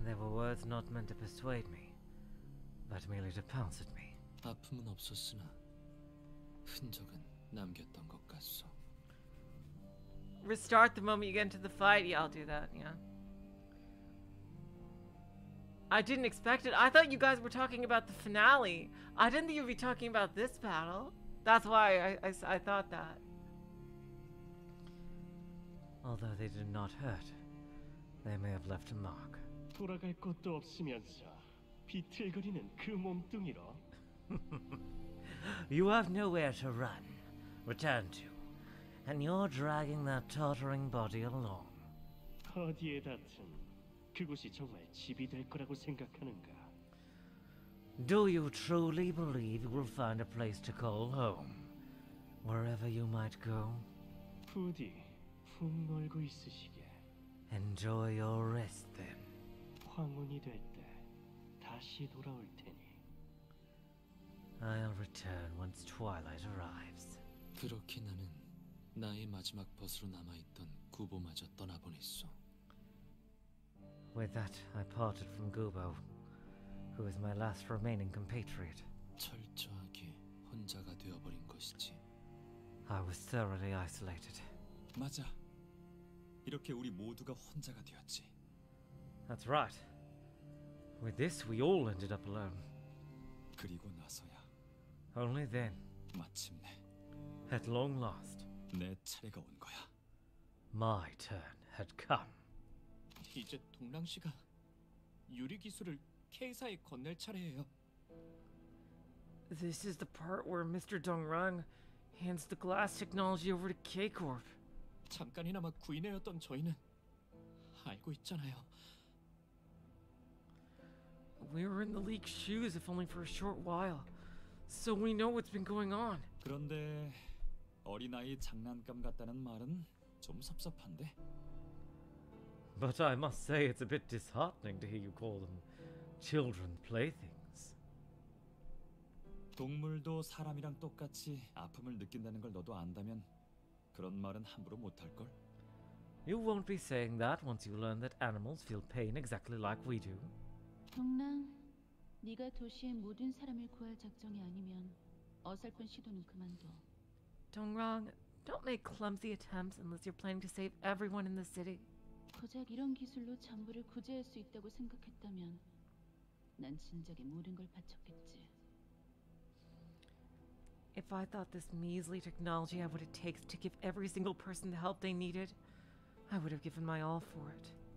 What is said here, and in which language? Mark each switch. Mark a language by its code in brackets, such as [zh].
[en] Words not meant to persuade me, but merely to pounce at me. [ko] 아픔은 없었으나 흔적은 남겼던 것 같소. [en] Restart the moment you get into the fight. Yeah, I'll do that. Yeah. I didn't expect it. I thought you guys were talking about the finale. I didn't think you'd be talking about this battle. That's why I thought that. Although they did not hurt, they may have left a mark. [ko] 돌아갈 것도 없으면서 비틀거리는 그 몸뚱이로. [en] You have nowhere to run, return to, and you're dragging that tottering body along. [ko] 어디에 닿든 그곳이 정말 집이 될 거라고 생각하는가? [en] Do you truly believe you will find a place to call home, wherever you might go? [ko] 부디 품 놀고 있으시게. [en] Enjoy your rest then. [ko] 황혼이 될 때 다시 돌아올 테니. [en] I'll return once twilight arrives. [ko] 그렇게 나는 나의 마지막 벗으로 남아있던 구보마저 떠나보냈소. [en] With that, I parted from Gubo, who is my last remaining compatriot. [ko] 철저하게 혼자가 되어버린 것이지. [en] I was thoroughly isolated. [ko] 맞아. 이렇게 우리 모두가 혼자가 되었지. [en] That's right. With this, we all ended up alone. [ko] 그리고 나서야. [en] Only then. [ko] 마침내. [en] At long last. [ko] 내 차례가 온 거야. [en] My turn had come. [ko] 이제 동랑 씨가 유리 기술을 K사에 건넬 차례예요. [en] This is the part where Mr. Dongrang hands the glass technology over to K-Corp. [ko] 잠깐이나마 구인회였던 저희는 알고 있잖아요. [en] We were in the leak's shoes, if only for a short while. So we know what's been going on. [ko] 그런데 어린아이 장난감 같다는 말은 좀 섭섭한데. [en] But I must say it's a bit disheartening to hear you call them children playthings. [ko] 동물도 사람이랑 똑같이 아픔을 느낀다는 걸 너도 안다면 그런 말은 함부로 못할걸. [en] You won't be saying that once you learn that animals feel pain exactly like we do. [ko] 동랑, 네가 도시의 모든 사람을 구할 작정이 아니면 어설픈 시도는 그만둬. [en] Dongrang, don't make clumsy attempts unless you're planning to save everyone in the city. [ko] 고작 이런 기술로 전부를 구제할 수 있다고 생각했다면 난 진작에 모든 걸 바쳤겠지. [en] If I thought this measly technology had what it takes to give every single person the help they needed, I would have given my all for it.